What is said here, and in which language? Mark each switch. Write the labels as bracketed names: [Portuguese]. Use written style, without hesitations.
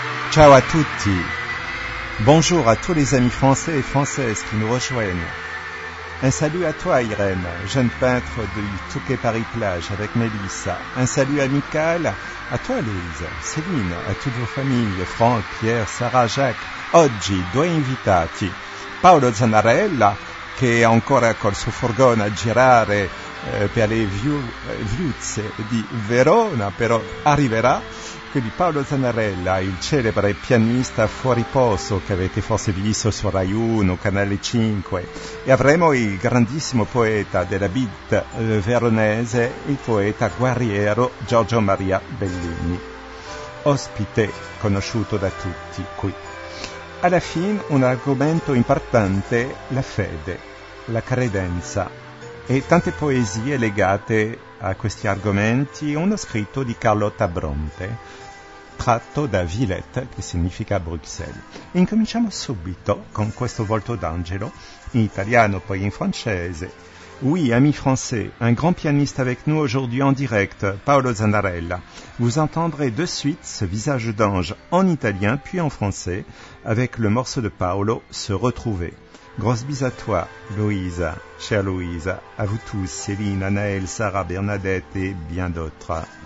[Italian] Ciao a tutti, [French] bonjour à tous les amis français et françaises qui nous rejoignent. Un salut à toi Irène, jeune peintre du Touquet Paris Plage avec Mélissa. Un salut amical à toi Louise, Céline, à toutes vos familles, Franck, Pierre, Sarah, Jacques. [Italian] Oggi, due invitati. Paolo Zanarella, che è ancora col suo furgone a girare per le viuzze di Verona, però arriverà. Quindi Paolo Zanarella, il celebre pianista fuori posto che avete forse visto su Rai 1, Canale 5, e avremo il grandissimo poeta della beat veronese, il poeta guerriero Giorgio Maria Bellini, ospite conosciuto da tutti qui. Alla fine un argomento importante, la fede, la credenza, e tante poesie legate a questi argomenti, uno scritto di Carlotta Bronte, tratto da Villette, che significa Bruxelles. Incominciamo subito con questo volto d'angelo, in italiano, poi in francese. [French] Oui, ami français, un grand pianiste avec nous aujourd'hui en direct, Paolo Zanarella. Vous entendrez de suite ce visage d'ange en italien, puis en français, avec le morceau de Paolo, Se retrouver. Grosse bise à toi, Louisa, chère Louisa, à vous tous, Céline, Anaël, Sarah, Bernadette et bien d'autres.